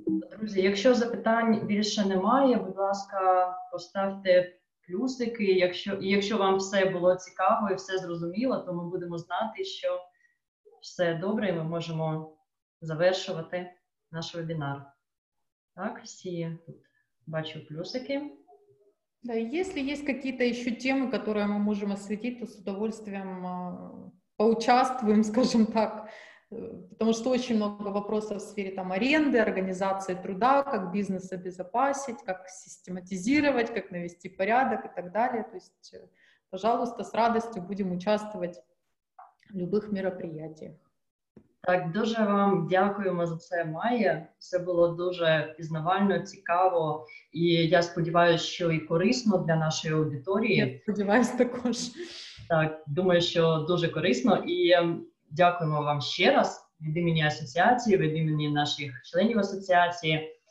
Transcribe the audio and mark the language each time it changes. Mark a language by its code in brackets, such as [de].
[uk] Друзі, якщо запитань більше немає, будь ласка, поставте плюсики, якщо вам все було цікаво і все зрозуміло, то ми будемо знати, що все добре, і ми можемо завершувати наш вебінар. Так, всі тут бачу плюсики. Да, якщо є якісь ще теми, які ми можемо освітити, то [ru] з удовольствием [uk] поучаствуємо, скажімо так. [ru] Потому что очень много вопросов в сфере там аренды, организации труда, как бизнес обезопасить, как систематизировать, как навести порядок и так далее. То есть, пожалуйста, с радостью будем участвовать в любых мероприятиях. [uk] Так, дуже вам дякуємо за це, Майя. Це було дуже пізнавально, цікаво, і я сподіваюся, що і корисно для нашої аудиторії. Я сподіваюся також. Так, думаю, що дуже корисно, і дякуємо вам ще раз від імені асоціації, від імені наших членів асоціації.